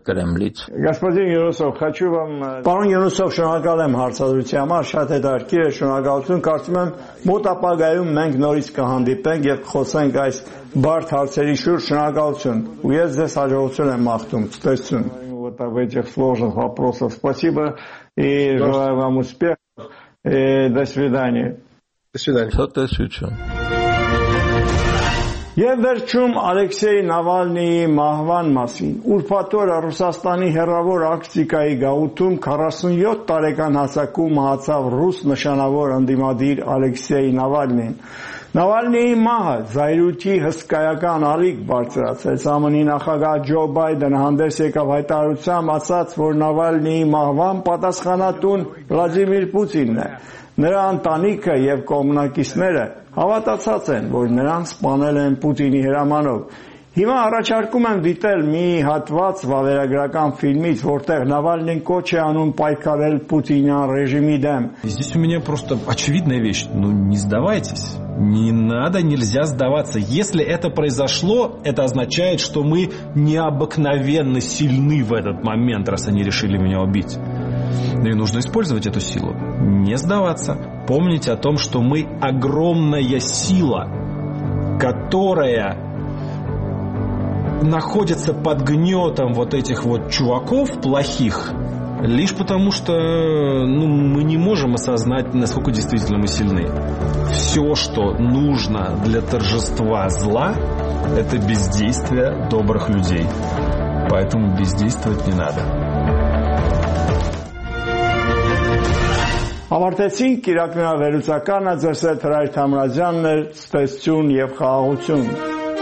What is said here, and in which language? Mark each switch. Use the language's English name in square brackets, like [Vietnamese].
[Armenian] Կրեմլից։ Պարոն Յունուսով, շնորհակալ եմ հարցազրույցի համար, շատ հետաքրքիր է, շնորհակալություն, կարծում եմ մոտ ապագայում մենք նորից կհանդիպենք և կխոսենք այս բարդ հարցերի շուրջ, շնորհակալություն, ու ես ձեզ հաջողություն եմ մաղթում, ցտեսություն։ [Russian] Вот об этих сложных вопросах спасибо и желаю вам успехов. До свидания. До свидания. До свидания. [Armenian] Եվ վերջում Ալեքսեյ Նավալնիի մահվան մասին։ Ուրբաթ Ռուսաստանի հեռավոր ակտիկայի գաղութում 47 տարեկան հասակում մահացավ ռուս նշանավոր ընդդիմադիր Ալեքսեյ Նավալնին։ Նավալնիի մահը զայրույթի հսկայական ալիք բարձրացրեց։ ԱՄՆ-ի նախագահ Ջո Բայդենը հանդես եկավ հայտարարությամբ, ասաց, որ Նավալնիի մահվան պատասխանատուն Վլադիմիր Պուտինն է։ Նրա ընտանիքը և կողմնակիցները հավատացած են, որ նրան սպանել են Պուտինի հրամանով։ Հիմա առաջարկում եմ դիտել մի հատված վավերագրական ֆիլմից, որտեղ Նավալնին կոչ է անում պայքարել Պուտինյան ռեժիմի դեմ։ [Russian] Здесь у меня просто очевидная вещь. Ну не сдавайтесь. Не надо, нельзя сдаваться. Если это произошло, это означает, что мы необыкновенно сильны в этот момент, раз они решили меня убить. Ну и нужно использовать эту силу. Не сдаваться. Помнить о том, что мы огромная сила, которая находится под гнетом вот этих вот чуваков плохих, лишь потому что, ну, мы не можем осознать, насколько действительно мы сильны. Все, что нужно для торжества зла, это бездействие добрых людей. Поэтому бездействовать не надо. [Armenian] Ավարտեցինք կիրակնավերուցականը, ձեր հետ Հրայր Թամրազյանն էր, ստեսություն և խաղաղություն։